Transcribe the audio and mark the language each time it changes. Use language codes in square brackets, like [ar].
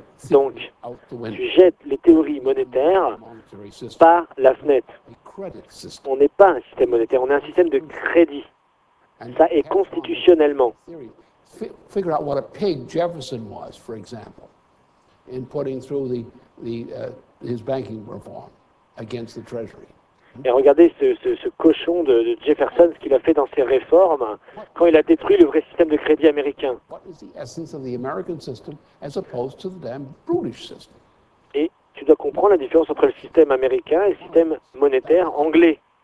[fr] Donc, tu jettes les théories monétaires par la fenêtre. On n'est pas un système monétaire, on est un système de crédit. Ça est constitutionnellement. [en] Figure out what a pig Jefferson was, for example, in putting through his banking reform against the Treasury. [fr] Et regardez ce cochon de Jefferson, ce qu'il a fait dans ses réformes quand il a détruit le vrai système de crédit américain. [en] What is the essence of the American system as opposed to the damn British system? [fr] Et tu dois comprendre la différence entre le système américain et le système monétaire anglais.